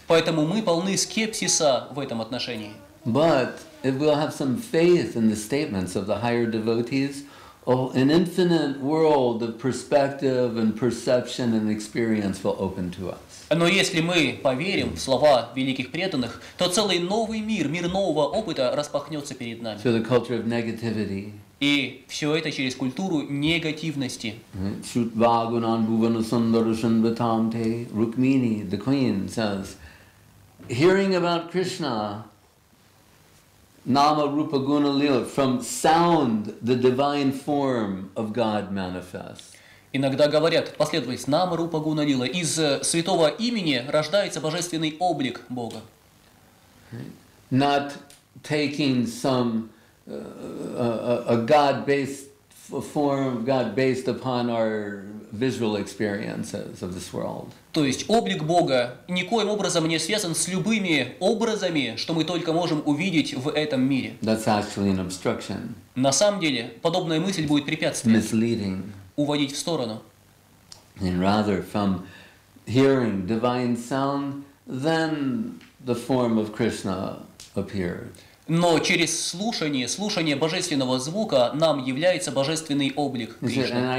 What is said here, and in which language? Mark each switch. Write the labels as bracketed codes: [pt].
[ru] Поэтому мы полны скепсиса в этом отношении. [en] But if we'll have some faith in the statements of the higher devotees, oh, an infinite world of perspective and perception and experience will open to us. [ru] Но если мы поверим в слова великих преданных, то целый новый мир, мир нового опыта распахнется перед нами. [en] Through the culture of negativity. [ru] И все это через культуру негативности. [sa] Шутва гунан бувана сундарушан ватам те [en] Рукмини, the queen, says, hearing about Krishna, nama rupa guna lila, from sound the divine form of God manifests. [ru] Иногда говорят, последовательность нама рупа гуна лила, из святого имени рождается божественный облик Бога. [en] Not taking some a God-based form, God-based upon our visual experiences of this world. [ru] То есть облик Бога никоим образом не связан с любыми образами, что мы только можем увидеть в этом мире. [en] That's actually an obstruction. [ru] На самом деле подобная мысль будет препятствием. [en] Misleading. [ru] Уводить в сторону. [en] And rather from hearing divine sound, then the form of Krishna appeared. [ru] Но через слушание божественного звука нам является божественный облик Кришны.